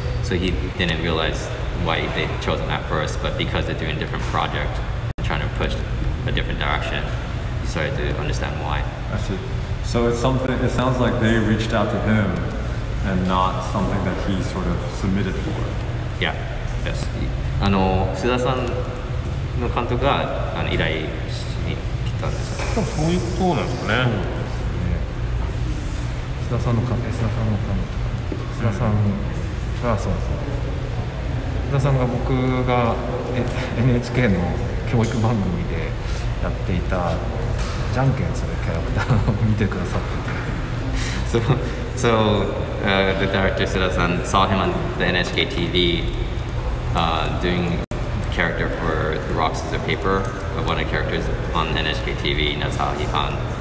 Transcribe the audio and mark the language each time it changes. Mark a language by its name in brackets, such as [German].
[English] So he didn't realize why they'd chosen that first, but because they're doing a different project, trying to push a different direction, he started to understand why. I see. So it's something, it sounds like they reached out to him and not something that he sort of submitted for. Yeah, yes. [Japanese] あの、須田さんの監督があの依頼しに来たんですよ。そういうことなんですかね。須田さんの監督、須田さんの監督、須田さんが、そうそう。須田さんが僕が NHK の教育番組でやっていたジャンケンするキャラクターを見てくださってて。 [English] So, the director 須田さん saw him on the NHK TV、doing the character for the Rocks is a Paper, one of the characters on NHK TV, and that's how he found.